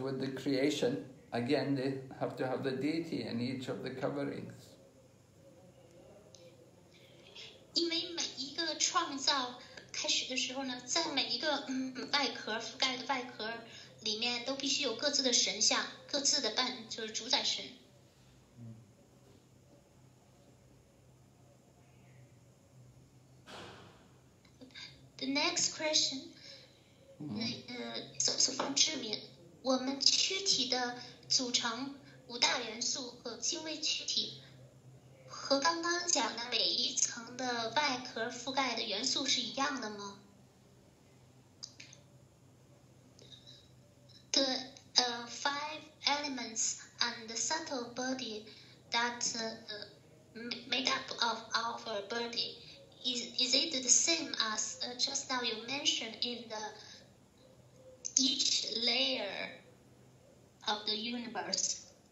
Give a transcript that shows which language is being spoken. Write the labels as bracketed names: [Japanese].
[English] with the creation, again, they have to have the deity in each of the coverings. [Chinese] 因为每一个创造。开始的时候呢，在每一个覆盖的外壳里面，都必须有各自的神像，各自的伴，就是主宰神。 [English] The next question, [Chinese] 那，所方知名，我们躯体的组成五大元素和精微躯体，和刚刚讲的每一层的外壳覆盖的元素是一样的吗？ [English] The five elements and the subtle body that made up of our body, is it the same as just now you mentioned in the each layer of the universe?